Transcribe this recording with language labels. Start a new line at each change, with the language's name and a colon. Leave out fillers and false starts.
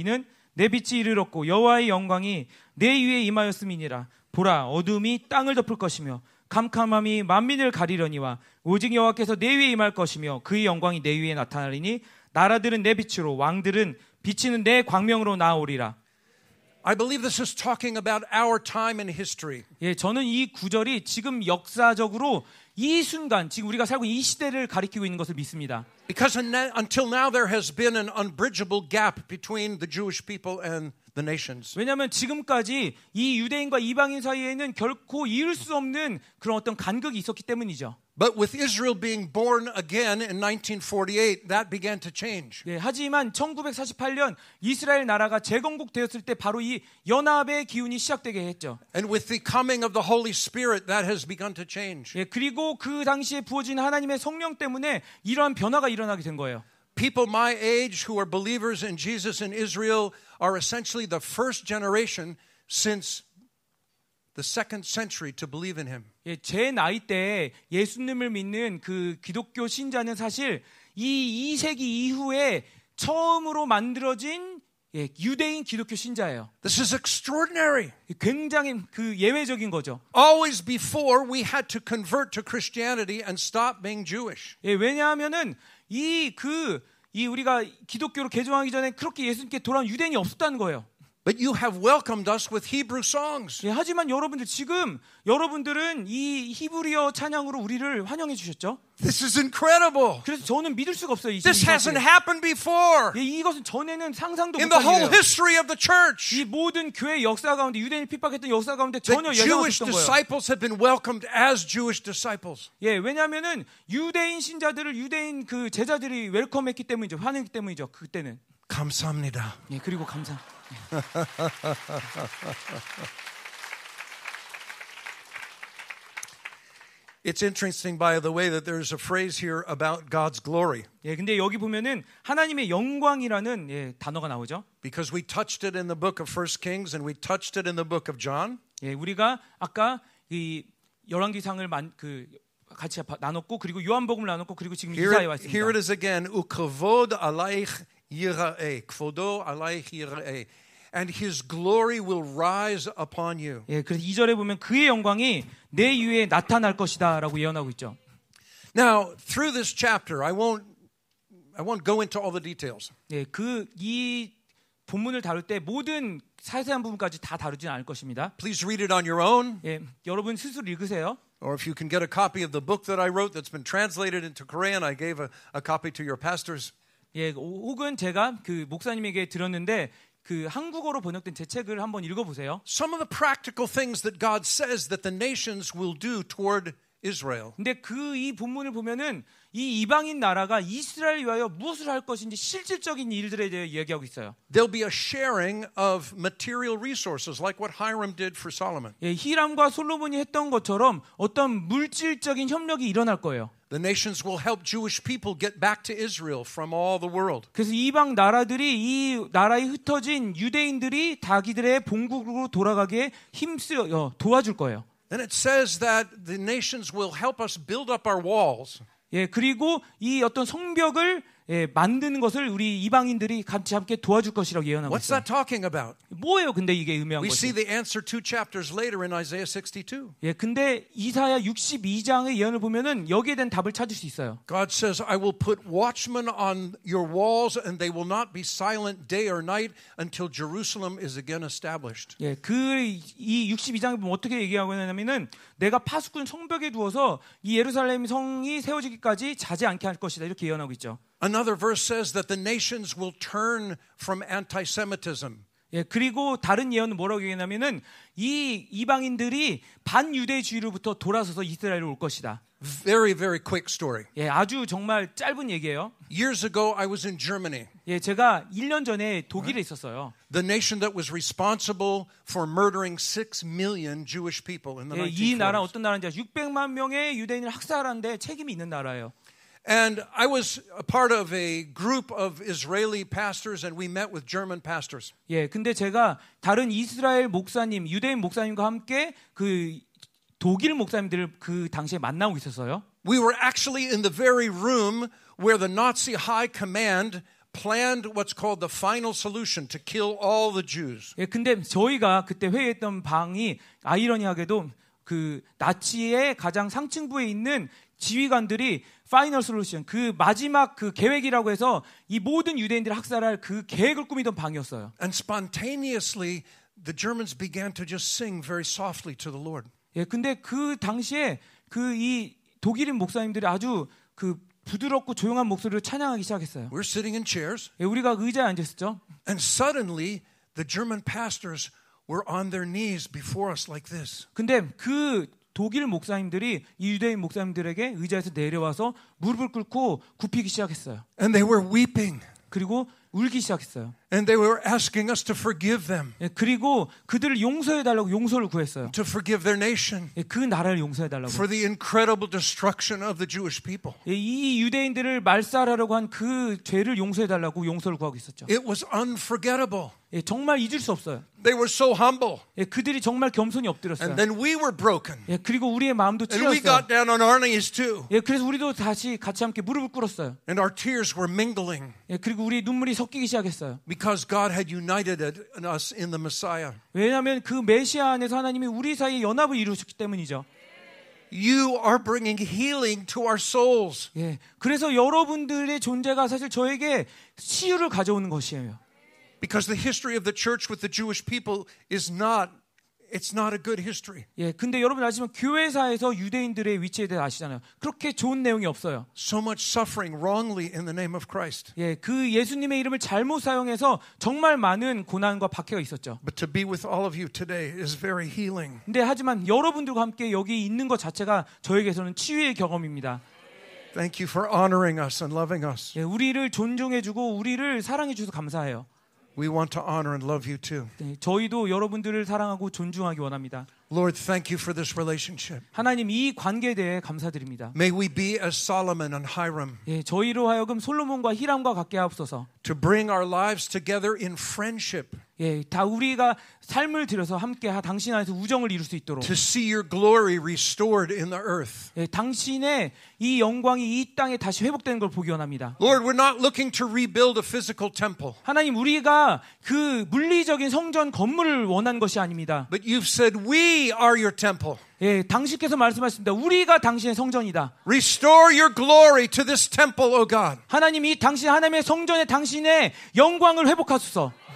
Korean: 이는 내 빛이 이르렀고 여호와의 영광이 내 위에 임하였음이니라. 보라, 어둠이 땅을 덮을 것이며 캄캄함이 만민을 가리려니와 오직 여호와께서 내 위에 임할 것이며 그의 영광이 내 위에 나타나리니 나라들은 내 빛으로 왕들은 비치는 내 광명으로 나오리라.
English: I believe this is talking about our time in history.
Korean: 예, 저는 이 구절이 지금 역사적으로 이 순간, 지금 우리가 살고 있는 이 시대를 가리키고 있는 것을 믿습니다.
English: Because until now there has been an unbridgeable gap between the Jewish people and the nations.
Korean: 왜냐하면 지금까지 이 유대인과 이방인 사이에는 결코 이룰 수 없는 그런 어떤 간극이 있었기 때문이죠.
English: But with Israel being born again in 1948, that began to change.
Korean: 예, 하지만 1948년 이스라엘 나라가 재건국되었을 때 바로 이 연합의 기운이 시작되게 했죠.
English: And with the coming of the Holy Spirit, that has begun to change.
Korean: 예, 그리고 그 당시에 부어진 하나님의 성령 때문에 이러한 변화가 일어나게 된 거예요.
English: People my age who are believers in Jesus in Israel are essentially the first generation since the second century to believe in him.
Korean: 예, 제 나이 때 예수님을 믿는 그 기독교 신자는 사실 이 2세기 이후에 처음으로 만들어진 예, 유대인 기독교 신자예요.
English: This is extraordinary.
Korean: 굉장히 그 예외적인 거죠.
English: Always before we had to convert to Christianity and stop being Jewish.
Korean: 예, 왜냐하면은 이 우리가 기독교로 개종하기 전에 그렇게 예수님께 돌아온 유대인이 없었다는 거예요.
English: But you have welcomed us with Hebrew songs.
Korean: 예, 하지만 여러분들 지금 여러분들은 이 히브리어 찬양으로 우리를 환영해 주셨죠?
English: This is incredible.
Korean: 그래서 저는 믿을 수가 없어요.
English: This hasn't happened before.
Korean: 예, 이것은 전에는 상상도 못한 일이에요.
English: In the whole history of the church.
Korean: 이 모든 교회 역사 가운데 유대인을 핍박했던 역사 가운데 전혀 예상하지 못한 거예요.
English: Jewish disciples have been welcomed as Jewish disciples.
Korean: 예, 왜냐하면은 유대인 신자들을 유대인 그 제자들이 웰컴했기 때문이죠. 환영했기 때문이죠. 그때는. 감사합니다. 예, 그리고 감사.
English: Yeah. It's interesting, by the way, that there's a phrase here about God's glory.
Korean: 예, 근데 여기 보면은 하나님의 영광이라는 예, 단어가 나오죠.
English: Because we touched it in the book of 1 Kings and we touched it in the book of John.
Korean: 예, 우리가 아까 이 열왕기상을 만 그 같이 나눴고 그리고 요한복음을 나눴고 그리고 지금 이사야에 왔습니다.
English: Here it is again.
Hebrew: Ukvod alaych yirae. Kvodo alaych yirae.
English: And his glory will rise upon you.
Korean: 예, 그래서 2절에 보면 그의 영광이 내 위에 나타날 것이다라고 예언하고 있죠.
English: Now, through this chapter, I won't go into all the details.
Korean: 예, 그 이 본문을 다룰 때 모든 자세한 부분까지 다 다루진 않을 것입니다.
English: Please read it on your own.
Korean: 예, 여러분 스스로 읽으세요.
English: Or if you can get a copy of the book that I wrote that's been translated into Korean, I gave a copy to your pastors.
Korean: 예, 혹은 제가 그 목사님에게 드렸는데 그 한국어로 번역된 제 책을 한번 읽어 보세요.
English: Some of the practical things that God says that the nations will do toward Israel.
Korean: 근데 그 이 본문을 보면은 이 이방인 나라가 이스라엘 위하여 무엇을 할 것인지 실질적인 일들에 대해 얘기하고 있어요.
English: There'll be a sharing of material resources like what Hiram did for Solomon.
Korean: 예, 히람과 솔로몬이 했던 것처럼 어떤 물질적인 협력이 일어날 거예요.
English: The nations will help Jewish people get back to Israel from all the world.
Korean: 그래서 이방 나라들이 이 나라에 흩어진 유대인들이 자기들의 본국으로 돌아가게 힘쓰여 도와줄 거예요.
English: And it says that the nations will help us build up our walls.
Korean: 예, 그리고 이 어떤 성벽을 예, 만드는 것을 우리 이방인들이 같이 함께 도와줄 것이라고 예언하고
English: What's What's that talking about?
Korean: 뭐예요? 근데 이게 의미한 거죠.
English: We see the answer two chapters later in Isaiah 62.
Korean: 예, 근데 이사야 62장의 예언을 보면은 여기에 대한 답을 찾을 수 있어요.
English: God says, I will put watchmen on your walls and they will not be silent day or night until Jerusalem is again established.
Korean: 예, 그 이 62장을 보면 어떻게 얘기하고 있냐면은 내가 파수꾼 성벽에 두어서 이 예루살렘 성이 세워지기까지 자지 않게 할 것이다 이렇게 예언하고 있죠.
English: Another verse says that the nations will turn from anti-Semitism.
Korean: 예, 그리고 다른 예언은 뭐라고 얘기하냐면은 이 이방인들이 반유대주의로부터 돌아서서 이스라엘로 올 것이다.
English: Very, very quick story.
Korean: 예, 아주 정말 짧은 얘기예요.
English: Years ago, I was in Germany.
Korean: 예, 제가 1년 전에 독일에 right? 있었어요.
English: The nation that was responsible for murdering 6 million Jewish people in the
Korean: 예,
English: 1940s.
Korean: 이 나라 어떤 나라인지 600만 명의 유대인을 학살하는데 책임이 있는 나라예요.
English: And I was a part of a group of Israeli pastors, and we met with German pastors.
Korean: 예, 근데 제가 다른 이스라엘 목사님, 유대인 목사님과 함께 그 독일 목사님들 그 당시에 만나고 있었어요.
English: We were actually in the very room where the Nazi high command planned what's called the final solution to kill all the Jews.
Korean: 예, 근데 저희가 그때 회의했던 방이 아이러니하게도 그 나치의 가장 상층부에 있는 지휘관들이 파이널 솔루션 그 마지막 그 계획이라고 해서 이 모든 유대인들을 학살할 그 계획을 꾸미던 방이었어요.
English: And spontaneously the Germans began to just sing very softly to the Lord.
Korean: 예, 근데 그 당시에 그 이 독일인 목사님들이 아주 그 부드럽고 조용한 목소리로 찬양하기 시작했어요.
English: We're sitting in chairs.
Korean: 예, 우리가 의자에 앉았었죠.
English: And suddenly the German pastors were on their knees before us like this.
Korean: 근데 그 독일 목사님들이 이 유대인 목사님들에게 의자에서 내려와서 무릎을 꿇고 굽히기 시작했어요.
English: And they were weeping.
Korean: 그리고 울기 시작했어요.
English: And they were asking us to forgive them.
Korean: 예, 그리고 그들을 용서해 달라고 용서를 구했어요.
English: To forgive their nation.
Korean: 예, 그 나라를 용서해 달라고.
English: For the incredible destruction of the Jewish people.
Korean: 예, 이 유대인들을 말살하려고 한 그 죄를 용서해 달라고 용서를 구하고 있었죠.
English: It was unforgettable.
Korean: 예, 정말 잊을 수 없어요.
English: They were so humble.
Korean: 예, 그들이 정말 겸손히 엎드렸어요.
English: And then we were broken.
Korean: 예, 그리고 우리의 마음도 찔렸어요.
English: And we got down on our knees too.
Korean: 예, 그래서 우리도 다시 같이 함께 무릎을 꿇었어요.
English: And our tears were mingling.
Korean: 예, 그리고 우리의 눈물이 섞이기 시작했어요.
English: Because God had united us in the Messiah.
Korean: 왜냐하면 그 메시아 안에서 하나님이 우리 사이에 연합을 이루셨기 때문이죠.
English: You are bringing healing to our souls.
Korean: 예, 그래서 여러분들의 존재가 사실 저에게 치유를 가져오는 것이에요.
English: Because the history of the church with the Jewish people is not a good history.
Korean: 예, 근데 여러분 아시지만 교회사에서 유대인들의 위치에 대해 아시잖아요. 그렇게 좋은 내용이 없어요.
English: So much suffering wrongly in the name of Christ.
Korean: 예, 그 예수님의 이름을 잘못 사용해서 정말 많은 고난과 박해가 있었죠.
English: But to be with all of you today is very healing.
Korean: 근데 하지만 여러분들과 함께 여기 있는 것 자체가 저에게서는 치유의 경험입니다.
English: Thank you for honoring us and loving us.
Korean: 예, 우리를 존중해 주고 우리를 사랑해 주셔서 감사해요.
English: We want to honor and love you too.
Korean: 저희도 여러분들을 사랑하고 존중하기 원합니다.
English: Lord, thank you for this relationship.
Korean: 하나님 이 관계에 대해 감사드립니다.
English: May we be as Solomon and Hiram.
Korean: 예, 저희로 하여금 솔로몬과 히람과 같게 하옵소서.
English: To bring our lives together in friendship.
Korean: 예, 다 우리가 삶을 들여서 함께 당신 안에서 우정을 이룰 수 있도록.
English: To see your glory restored in the earth.
Korean: 예, 당신의 이 영광이 이 땅에 다시 회복되는 걸 보기 원합니다.
English: Lord, we're not looking to rebuild a physical temple.
Korean: 하나님 우리가 그 물리적인 성전 건물을 원한 것이 아닙니다.
English: But you've said we are your temple.
Korean: 예, 당신께서 말씀하셨습니다. 우리가 당신의 성전이다.
English: Restore your glory to this temple, O God.
Korean: 하나님 이 당신 하나님의 성전에 당신의 영광을 회복하소서.